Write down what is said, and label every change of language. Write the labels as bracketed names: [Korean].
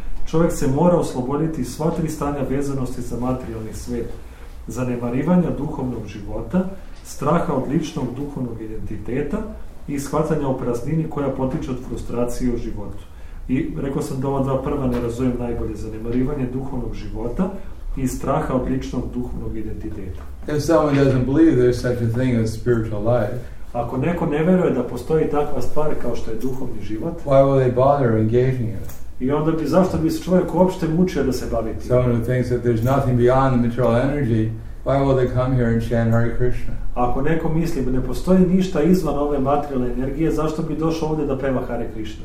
[Serbian] Čovjek se mora osloboditi sva tri stanja vezanosti za materijalni svijet, zanemarivanja duhovnog života, straha od ličnog duhovnog identiteta i shvatanja o praznini koja potiče od frustracije u životu. I rekao sam da ova dva prva ne razumijem najbolje, zanemarivanje duhovnog života i straha od ličnog duhovnog identiteta. [English] If someone doesn't believe there's such a thing as spiritual life, [Serbian] ako neko ne vjeruje da postoji takva stvar kao što je duhovni život, [English] why would they bother engaging it? [Serbian] I onda bi, zašto bi se čovjek uopšte mučio da se bavi tim? [English] Someone who thinks that there's nothing beyond the material energy, why will they come here and chant Hare Krishna? [Serbian] Ako neko misli da ne postoji ništa izvan ove materijalne energije, zašto bi došao ovdje da peva Hare Krishna?